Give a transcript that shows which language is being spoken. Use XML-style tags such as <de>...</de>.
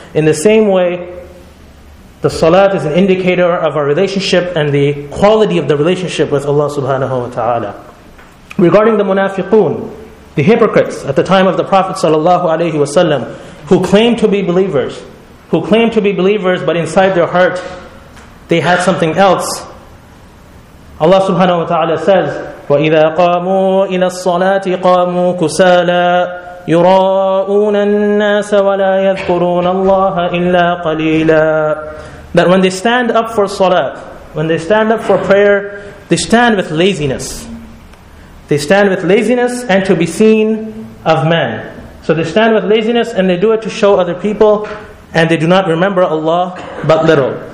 <en>In the same way, the salat is an indicator of our relationship and the quality of the relationship with Allah subhanahu wa ta'ala. Regarding the munafiqun, the hypocrites at the time of the Prophet sallallahu alayhi wasallam, who claimed to be believers, but inside their heart they had something else. Allah subhanahu wa ta'ala says,</en> <ar>وَإِذَا قَامُوا إِلَى الصَّلَاةِ قَامُوا كُسَالًا يُرَاءُونَ النَّاسَ وَلَا يَذْكُرُونَ اللَّهَ إِلَّا قَلِيلًا.</ar> <en>That when they stand up for salat, when they stand up for prayer, they stand with laziness. They stand with laziness and to be seen of men. So they stand with laziness and they do it to show other people, and they do not remember Allah but little.</en>